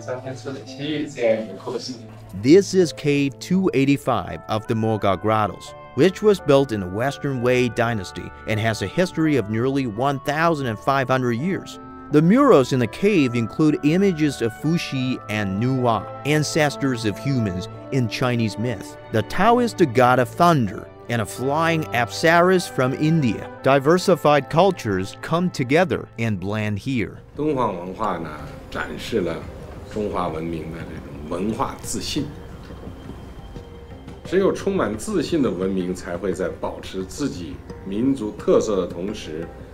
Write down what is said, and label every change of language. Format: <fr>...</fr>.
<zh>张骞出使西域。哦，这个张骞了。对对对，是什么时代画的？初唐，初唐吧。这个是在历史上最早的出现张骞出使西域这样一个构思。</zh> <en>This is Cave 285 of the Mogao Grottoes, which was built in the Western Wei Dynasty and has a history of nearly 1,500 years. The murals in the cave include images of Fuxi and Nuwa, ancestors of humans in Chinese myth. The Taoist god of thunder and a flying apsaras from India. Diversified cultures come together and blend here.</en> <zh>敦煌文化呢，展示了中华文明的这种文化自信。只有充满自信的文明，才会在保持自己民族特色的同时。</zh>